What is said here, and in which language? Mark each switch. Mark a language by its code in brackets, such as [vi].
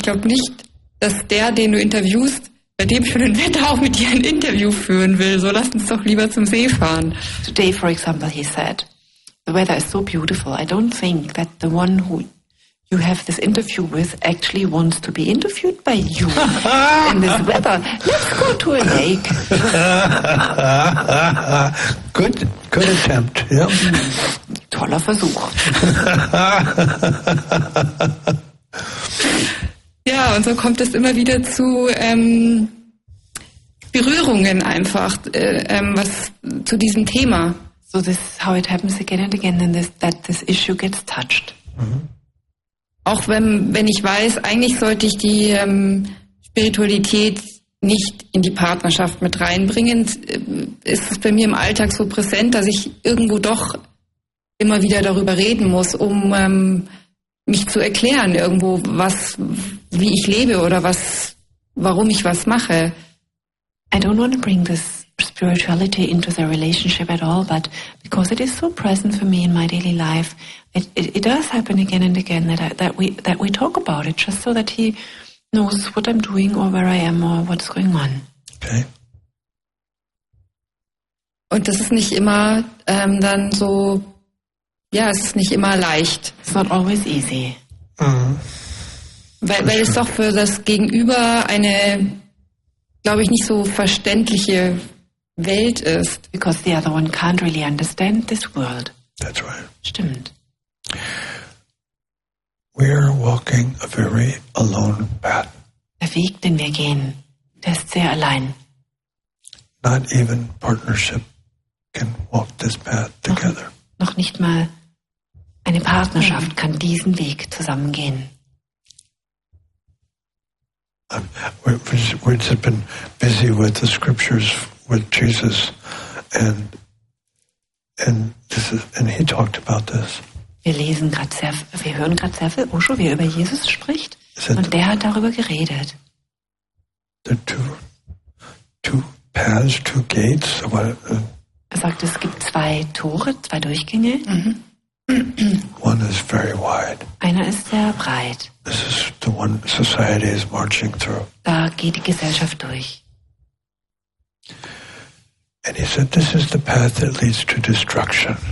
[de] Ich glaube nicht, dass der, den du interviewst, bei dem schönen Wetter auch mit dir ein Interview führen will. So, lass uns doch lieber zum See fahren. [en] Today, for example, he said, the weather is so beautiful. I don't think that the one who you have this interview with actually wants to be interviewed by you in this weather. Let's go to a lake. Good attempt. Yeah. [de] Toller Versuch. Ja, und so kommt es immer wieder zu Berührungen einfach, was zu diesem Thema. [en] So this is how it happens again and again, and this, that this issue gets touched. Mm-hmm. [de] Auch wenn ich weiß, eigentlich sollte ich die Spiritualität nicht in die Partnerschaft mit reinbringen, ist es bei mir im Alltag so präsent, dass ich irgendwo doch immer wieder darüber reden muss, um mich zu erklären irgendwo, was, wie ich lebe oder was, warum ich was mache. [en] I don't want to bring this spirituality into the relationship at all, but because it is so present for me in my daily life, it does happen again and again that we talk about it, just so that he knows what I'm doing or where I am or what's going on. Okay. [de] Und das ist nicht immer dann so, ja, es ist nicht immer leicht. [en] It's not always easy. Mm-hmm. [de] Weil es doch für das Gegenüber eine, glaube ich, nicht so verständliche Welt ist. [en] Because the other one can't really understand this world. That's right. [de] Stimmt. [en] We're walking a very alone path. [de] Der Weg, den wir gehen, der ist sehr allein. [en] Not even partnership can walk this path together. [de] Noch nicht mal eine Partnerschaft kann diesen Weg zusammengehen. [en] We've been busy with the scriptures with Jesus, and he talked about this. [de] Wir hören gerade sehr viel Osho, wie er über Jesus spricht, und der hat darüber geredet. [en] The two paths, two gates. [de] Er sagt, es gibt zwei Tore, zwei Durchgänge. [en] Mm-hmm. One is very wide. [de] Einer ist sehr breit. [en] This is the one society is marching through. [de] Da geht die Gesellschaft durch. [en] And he said, this is the path that leads to destruction.